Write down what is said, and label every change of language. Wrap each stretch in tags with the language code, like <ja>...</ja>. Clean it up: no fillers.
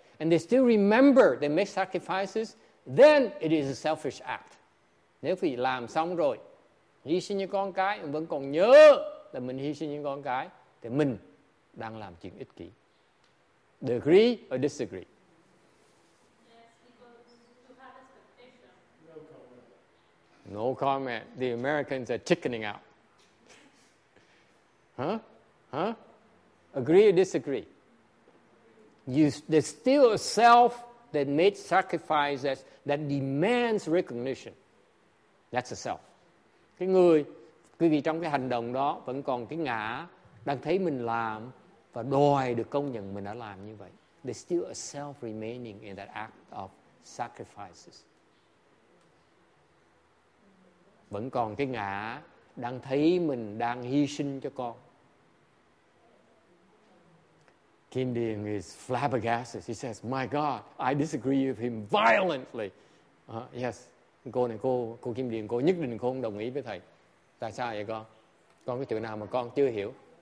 <en>And they still remember they make sacrifices, then it is a selfish act.</en> <vi>Nếu quý vị làm xong rồi, hy sinh như con cái, vẫn còn nhớ là mình hy sinh những con cái thì mình đang làm chuyện ích kỷ.</vi> <en>Do you agree or disagree? Yes, people to have expectation. No comment. No comment. The Americans are chickening out. Huh? Huh? Agree or disagree? There's still a self that made sacrifices that demands recognition. That's a self.</en> <vi>Cái người quý vị trong cái hành động đó vẫn còn cái ngã đang thấy mình làm và đòi được công nhận mình đã làm như vậy.</vi> <en>There's still a self remaining in that act of sacrifices.</en> <vi>Vẫn còn cái ngã đang thấy mình đang hy sinh cho con.</vi> <en>Kim Điền is flabbergasted. He says, my God, I disagree with him violently.</en> <vi>Yes, cô này, cô Kim Điền, cô nhất định cô không đồng ý với thầy. Tại sao vậy con? Con cái chữ nào mà con chưa hiểu?</vi>